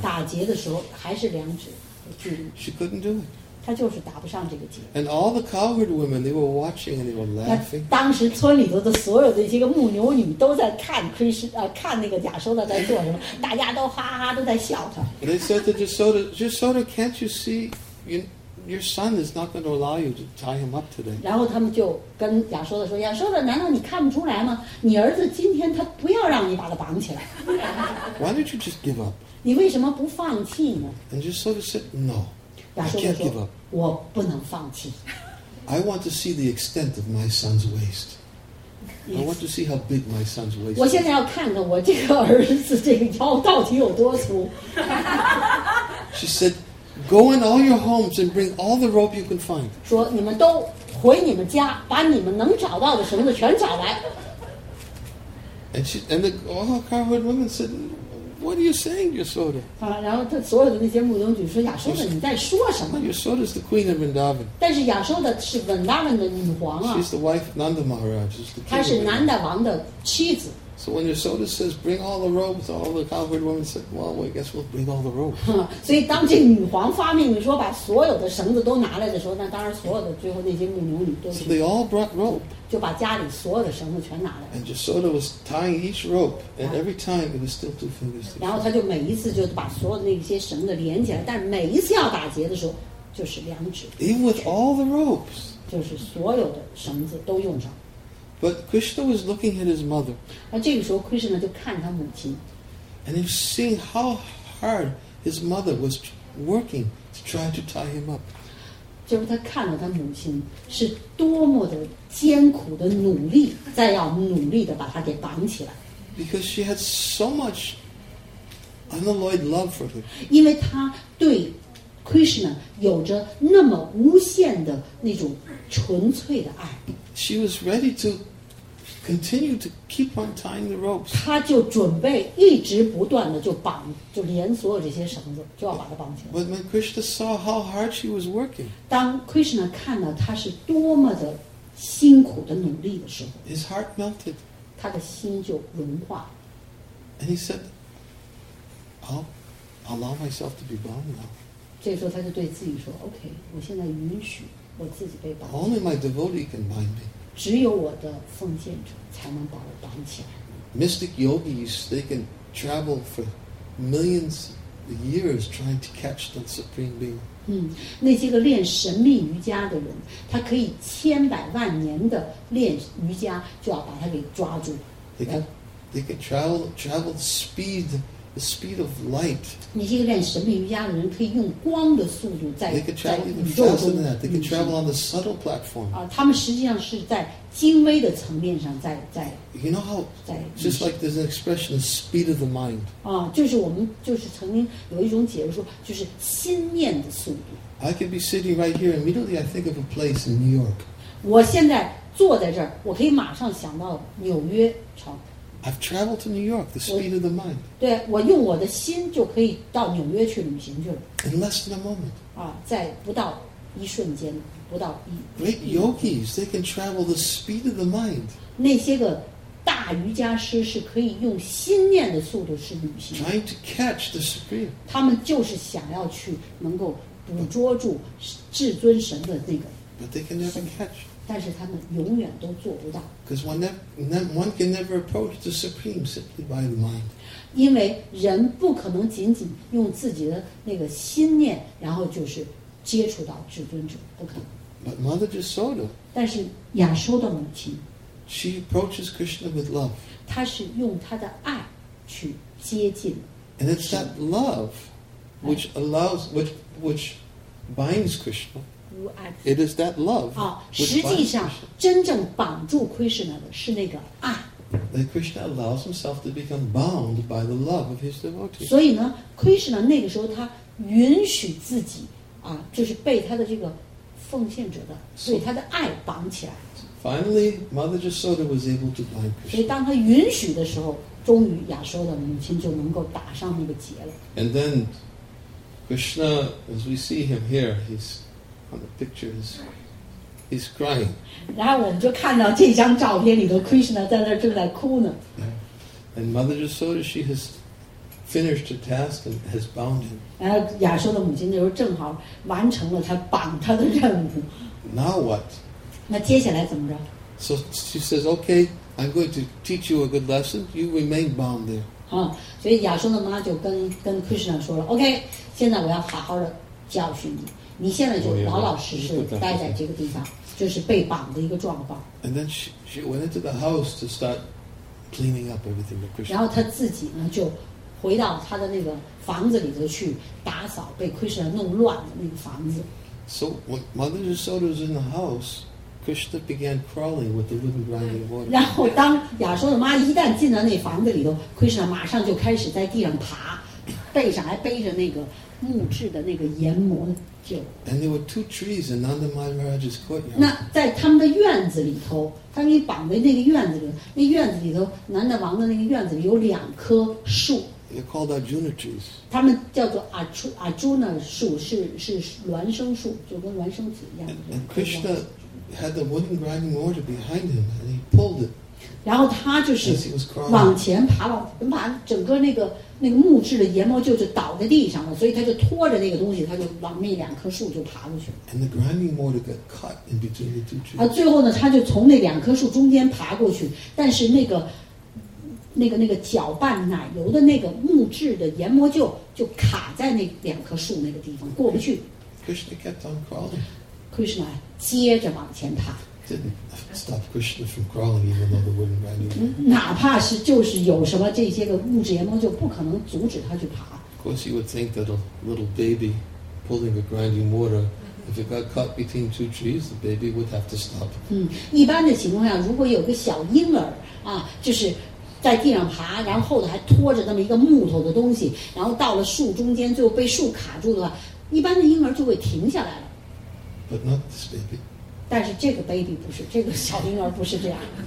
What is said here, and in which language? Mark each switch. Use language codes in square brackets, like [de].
[zh] 打结的时候，还是两指距离。 [en] She couldn't do it. [zh] 他就是打不上这个结。 [en] And all the cowherd women, they were watching and they were laughing. [zh] 当时村里头的所有的一些个牧牛女都在看 Krishna, 看那个亚修达在做什么，大家都哈哈都在笑他。 [en] They said to Jasoda, Jasoda, can't you see you? Your son is not going to allow you to tie him up today. [zh] 然后他们就跟亚瑟的说：“亚瑟的，难道你看不出来吗？你儿子今天他不要让你把他绑起来。 [en] ”Why don't you just give up? [zh] 你为什么不放弃呢 [en] ？And just sort of said, "No." [zh] 亚瑟 [en] 说：“ give up. [zh] 我不能放弃。 [en] ”I want to see the extent of my son's waist. I want to see how big my son's waist. [zh] 我现在要看看我这个儿子这个腰到底有多粗。 [en] She said. Go in all your homes and bring all the rope you can find. [zh] 说你们都回你们家，把你们能找到的绳子全找来。 [en] And the all cowherd women said, "What are you saying, Yasoda?" [zh] 然后他所有的那些牧童就说：“亚瑟的，你在说什么 [en] ？”Yasoda is the queen of Vrindavan. [zh] 但是亚瑟的是 Vrindavan 的女皇啊。 [en] She's the wife of Nanda Maharaj. [zh] 她是南达王的妻子。 [en] So when Yasoda says, "Bring all the robes," all the cowherd women said, "Well, I guess we'll bring all the robes." [zh] 所以当这女皇发命说把所有的绳子都拿来的时候，那当然所有的最后那些牧牛女都。 [en] So they all brought rope. [zh] 就把家里所有的绳子全拿来。 [en] And Yasoda was tying each rope, and every time it was still two fingers. [zh] 然后他就每一次就把所有的那些绳子连起来，但是每一次要打结的时候，就是两指。 [en] Even with all the ropes. [zh] 就是所有的绳子都用上。 [en] But Krishna was looking at his mother. [zh] 而这个时候 ，Krishna 就看他母亲。 [en] And he was seeing how hard his mother was working to try to tie him up. [zh] 就是他看到他母亲是多么的艰苦的努力，在要努力的把他给绑起来。 [en] Because she had so much unalloyed love for him. [zh] 因为他对 Krishna 有着那么无限的那种纯粹的爱。 [en] She was ready to continue to keep on tying the ropes. [zh] 她就准备一直不断的就绑，就连所有这些绳子，就要把它绑起来。 [en] But when Krishna saw how hard she was working, [zh] 当 Krishna 看到她是多么的辛苦的努力的时候 [en] ，his heart melted. [zh] 他的心就融化。 [en] And he said, "I'll allow myself to be bound now." [zh] 这时候他就对自己说 ，OK， 我现在允许。我自己被绑起来。 [en] Only my devotee can bind me. [zh] 只有我的奉献者才能把我绑起来。 [en] Mystic yogis, they can travel for millions of years trying to catch the supreme being. [zh] 那些个练神秘瑜伽的人，他可以千百万年的练瑜伽，就要把他给抓住。 [en] They can travel speed. The speed of light. [zh] 你这个练神秘瑜伽的人可以用光的速度在宇宙中。 [en] They can travel on the subtle platform. [zh] 他们实际上是在精微的层面上在。 [en] You know how? [zh] 在 [en] just like there's an expression, the speed of the mind. [zh] 就是我们就是曾经有一种解释说，就是心念的速度。 [en] I could be sitting right here, immediately I think of a place in New York. [zh] 我现在坐在这儿，我可以马上想到纽约城。 [en] I've traveled to New York. The speed of the mind. [zh] 对，我用我的心就可以到纽约去旅行去了。 [en] In less than a moment. [zh] 在不到一瞬间，不到一。 [en] Great yogis, they can travel the speed of the mind. [zh] 那些个大瑜伽师是可以用心念的速度去旅行。 [en] Trying to catch the supreme. [zh] 他们就是想要去能够捕捉住至尊神的那个。 [en] But they can never catch. [zh] 但是他们永远都做不到。 [en] Because one can never approach the supreme simply by the mind. [zh] 因为人不可能仅仅用自己的那个心念，然后就是接触到至尊者，不可能。 [en] But Mother Jasoda. [zh] 但是亚修的母亲。 [en] She approaches Krishna with love. [zh] 她是用她的爱去接近。 [en] And it's that love which allows which binds Krishna. It is that love. [zh] 实际上真正绑住 Krishna 的是那个爱。 [en] That Krishna allows himself to become bound by the love of his devotee. [zh] 所以呢 ，Krishna 那个时候他允许自己就是被他的这个奉献者的对他的爱绑起来。 [en] Finally, Mother Jasoda was able to bind Krishna. [zh] 所以当他允许的时候，终于亚修的母亲就能够打上那个结了。 [en] And then, Krishna, as we see him here, he's. On the picture, his He's crying. [zh] 然后我们就看到这张照片里头 ，Krishna 在那正在哭呢。 [en] And Mother Yashoda, she has finished a task and has bound him. [zh] 然后亚修的母亲那时候正好完成了她绑他的任务。 [en] Now what? [zh] 那接下来怎么着 [en] ？So she says, "Okay, I'm going to teach you a good lesson. You remain bound there." [zh] 所以亚修的妈就跟 Krishna 说了 ，OK， 现在我要好好的教训你。你现在就老老实实待在这个地方，就是被绑的一个状况。 [en] And then she went into the house to start cleaning up everything. [zh] 然后她自己呢就回到她的那个房子里头去打扫被 Krishna 弄乱的那个房子。 [en] So when Mother Yashoda was in the house, Krishna began crawling with the wooden grinding board. [zh] 然后当亚修的妈一旦进到那房子里头 ，Krishna 马上就开始在地上爬，背上还背着那个木质的那个研磨。 [en] And there were two trees in Nanda Maharaj's courtyard. [zh] 那在他们的院子里头，他们绑在那个院子里，那院子里头，南大王的那个院子里有两棵树。 [en] They're called Arjuna trees. [zh] 他们叫做 Arjuna 树，是孪生树，就跟孪生子一样。 [en] And Krishna had the wooden grinding mortar behind him, and he pulled it. [zh] 然后他就是往前爬了，把整个那个木质的研磨就是倒在地上了，所以他就拖着那个东西，他就往那两棵树就爬过去。 [en] And the grinding mortar got cut in between the two trees. [zh] 最后呢，他就从那两棵树中间爬过去，但是那个搅拌奶油的那个木质的研磨就卡在那两棵树那个地方过不去。 [en] Krishna kept on crawling. [zh] Krishna 接着往前爬。 [en] Didn't stop Krishna from crawling, even though the wooden grinding. [zh] 哪怕是就是有什么这些个物质研磨，就不可能阻止他去爬。 [en] Of course, you would think that a little baby pulling a grinding mortar, if it got caught between two trees, the baby would have to stop. [zh] 一般的情况下，如果有个小婴儿啊，就是在地上爬，然后后头还拖着那么一个木头的东西，然后到了树中间，最后被树卡住的话，一般的婴儿就会停下来了。 [en] But not this baby. [zh] 但是这个 baby 不是，这个小婴儿不是这样。